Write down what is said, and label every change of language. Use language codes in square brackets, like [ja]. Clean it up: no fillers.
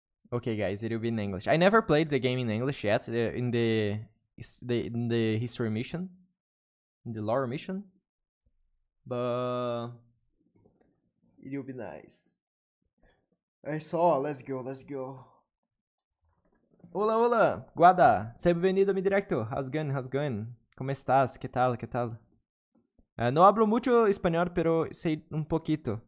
[en] Okay, guys, it'll be in English. I never played the game in English yet, in the history mission, in the lore mission, but it'll be nice. Let's go. [es] Hola, Guada, [pt] seja bem-vindo [es] a mi directo. [en] How's it going? [es] Como estás? Que tal? No hablo mucho español, pero sei un poquito.